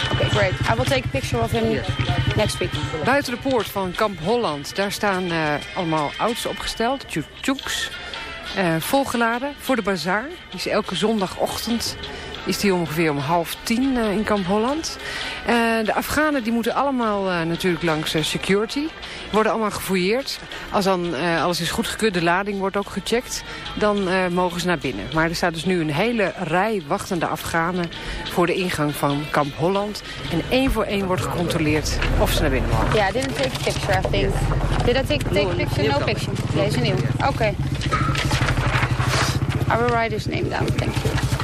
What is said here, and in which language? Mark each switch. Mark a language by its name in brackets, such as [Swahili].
[English] Great. I will take a picture of him next week. [Dutch] Buiten de poort van Kamp Holland, daar staan allemaal auto's opgesteld, tjuk-tjuks, volgeladen voor de bazaar. Die is elke zondagochtend is die ongeveer om 9:30 in Kamp Holland. De Afghanen die moeten allemaal natuurlijk langs security, worden allemaal gefouilleerd. Als dan alles is goedgekeurd, de lading wordt ook gecheckt, dan mogen ze naar binnen. Maar er staat dus nu een hele rij wachtende Afghanen voor de ingang van Kamp Holland. En één voor één wordt gecontroleerd of ze naar binnen mogen. [English] Ja, I didn't take a picture, I think. Yes. Did I take a picture? No picture. [Dutch] Deze nieuw. [English] Oké. Okay. I will write his name down, thank you.